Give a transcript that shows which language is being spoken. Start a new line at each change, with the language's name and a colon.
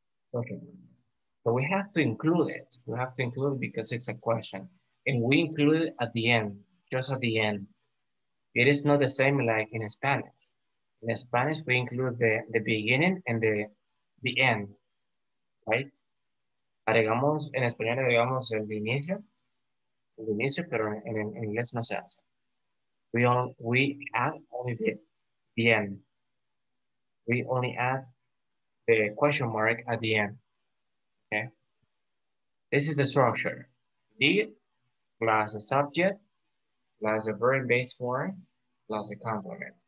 English: Question mark. So we have to include it. We have to include it because it's a question. And we include it at the end, just at the end. It is not the same like in Spanish. In Spanish, we include the beginning and the end, right?
Spanish: Agregamos, en español agregamos el inicio, pero en inglés no se hace.
English: We add only the end. We only add the question mark at the end. Okay. This is the structure. Did plus the subject plus the verb in base form plus the complement.